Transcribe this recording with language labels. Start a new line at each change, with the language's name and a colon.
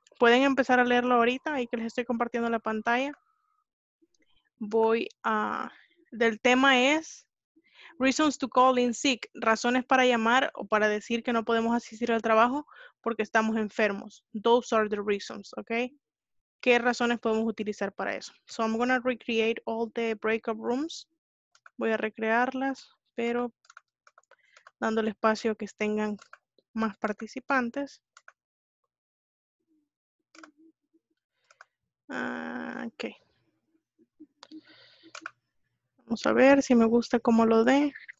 Spanish: Pueden empezar a leerlo ahorita, ahí que les estoy compartiendo la pantalla. Voy a... Del tema es
English: Reasons to call in sick.
Spanish: Razones para llamar o para decir que no podemos asistir al trabajo porque estamos enfermos.
English: Those are the reasons,
Spanish: ¿ok? ¿Qué razones podemos utilizar para eso?
English: So I'm going to recreate all the breakout rooms.
Spanish: Voy a recrearlas, pero dándole espacio a que tengan más participantes. Ok. Vamos a ver si me gusta cómo lo de.